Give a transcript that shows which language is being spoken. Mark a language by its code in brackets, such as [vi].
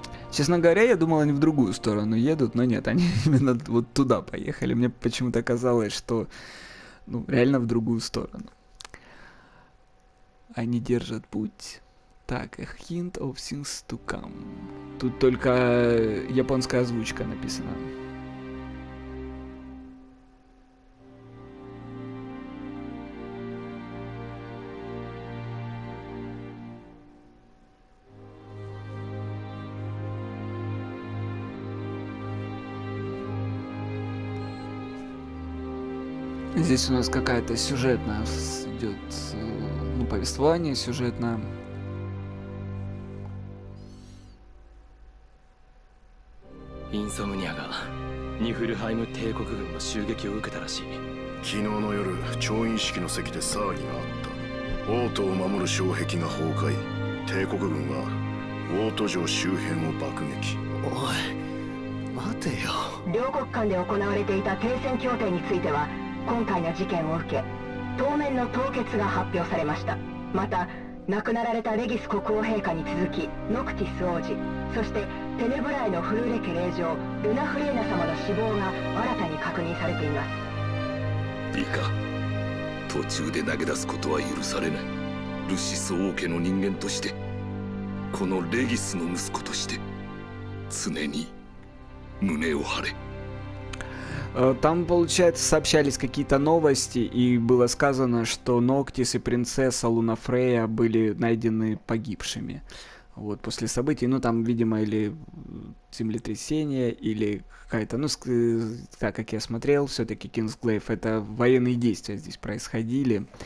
[ru] Честно говоря, я думал, они в другую сторону едут, но нет, они именно вот туда поехали. Мне почему-то казалось, что ну, реально в другую сторону. Они держат путь. [en] Так, a hint of things to come. [ru] Тут только японская озвучка написана. Здесь у нас какая-то сюжетная идет, ну, повествование сюжетное. [ja] インソムニアが、ニフルハイム帝国軍の襲撃を受けたらしい。昨日の夜、調印式の席で騒ぎがあった。王都を守る将兵が崩壊、帝国軍は王都城周辺を爆撃。おい、待てよ。両国間で行われていた停戦協定については、今回の事件を受け、当面の凍結が発表されました。また、亡くなられたレギス国王陛下に続き、ノクティス王子、そしてテネブライのフルーレ家令嬢ルナ・フレーナ様の死亡が新たに確認されています。いいか、途中で投げ出すことは許されない。ルシス王家の人間として、このレギスの息子として、常に胸を張れ。 [ru] Там, получается, сообщались какие-то новости, и было сказано, что Ноктис и принцесса Луна Фрея были найдены погибшими. Вот, после событий, ну, там, видимо, или землетрясение, или какая-то, ну, так как я смотрел, все-таки Кингсглейв, это военные действия здесь происходили.